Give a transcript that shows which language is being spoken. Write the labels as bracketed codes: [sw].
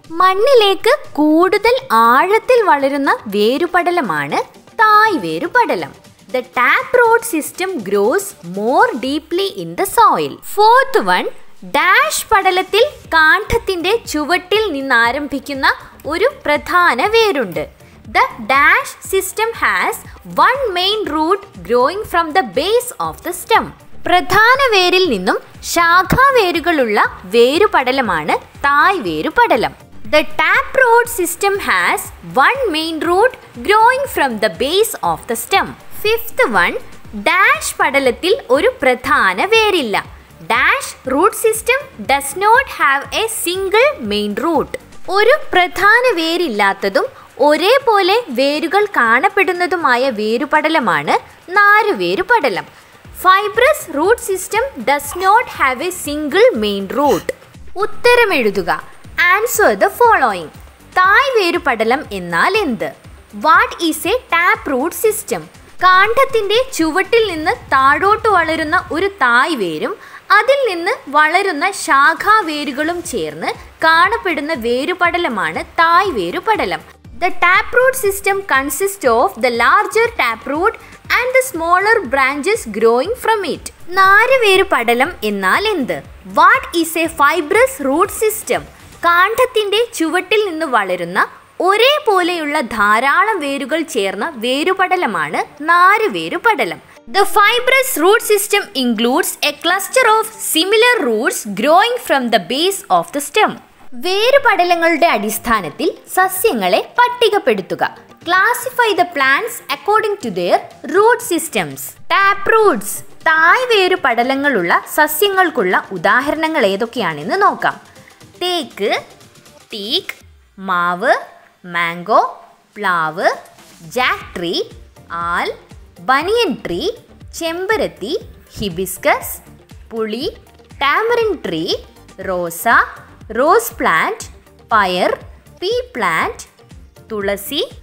[ml] മണ്ണിലേക്ക് കൂടുതൽ ആഴത്തിൽ വളരുന്ന വേരുപടലമാണ് തായ് വേരുപടലം. [en] The tap root system grows more deeply in the soil. Fourth one, [ml] dash പടലത്തിൽ കാണ്ഡത്തിൻ്റെ ചുവട്ടിൽ നിന്നാരംഭിക്കുന്ന ഒരു പ്രധാന വേരുണ്ട്. [en] The dash system has one main root growing from the base of the stem. [ml] പ്രധാന വേരിൽ നിന്നും ശാഖാവേരുകളുള്ള വേരുപടലമാണ് തായ് വേരുപടലം. [en] The tap root system has one main root growing from the base of the stem. Fifth one, [ml] dash പടലത്തിൽ ഒരു പ്രധാന വേരില്ല. [en] Dash root system does not have a single main root. [ml] ഒരു പ്രധാന വേരില്ലാത്തതും ഒരേപോലെ വേരുകൾ കാണപ്പെടുന്നതുമായ വേരുപടലമാണ് നാരുവേരുപടലം. [en] Fibrous root system does not have a single main root. [ml] ഉത്തരം എഴുതുക. [en] Answer the following. [ml] തായ് വേരുപടലം എന്നാൽ എന്ത്? [en] What is a tap root system? [ml] കാണ്ഡത്തിൻ്റെ ചുവട്ടിൽ നിന്ന് താഴോട്ട് വളരുന്ന ഒരു തായ് വേരും അതിൽ നിന്ന് വളരുന്ന ശാഖാവേരുകളും ചേർന്ന് കാണപ്പെടുന്ന വേരുപടലമാണ് തായ് വേരുപടലം. [en] The taproot system consists of the larger taproot and the smaller branches growing from it. [ml] നാരു വേരുപടലം എന്നാൽ എന്ത്? [en] What is a fibrous root system? [ml] കാണ്ഡത്തിൻ്റെ ചുവട്ടിൽ നിന്ന് വളരുന്ന ഒരേപോലെയുള്ള ധാരാളം വേരുകൾ ചേർന്ന വേരുപടലമാണ് നാരു വേരുപടലം. [en] The fibrous root system includes a cluster of similar roots growing from the base of the stem. [ml] വേരുപടലങ്ങളുടെ അടിസ്ഥാനത്തിൽ സസ്യങ്ങളെ പട്ടികപ്പെടുത്തുക. [en] Classify the plants according to their root systems. [ml] Tap Roots, തായ് വേരുപടലങ്ങളുള്ള സസ്യങ്ങൾക്കുള്ള ഉദാഹരണങ്ങൾ ഏതൊക്കെയാണെന്ന് നോക്കാം. തേക്ക്, ടീക്ക്, മാവ്, മാംഗോ, പ്ലാവ്, ജാക്ക് ട്രീ, ആൽ, ബനിയൻ tree, ചെമ്പരത്തി, hibiscus, പുളി, ടാമറിൻ ട്രീ, റോസ, റോസ് പ്ലാന്റ്, പയർ, പീ പ്ലാന്റ്, തുളസി.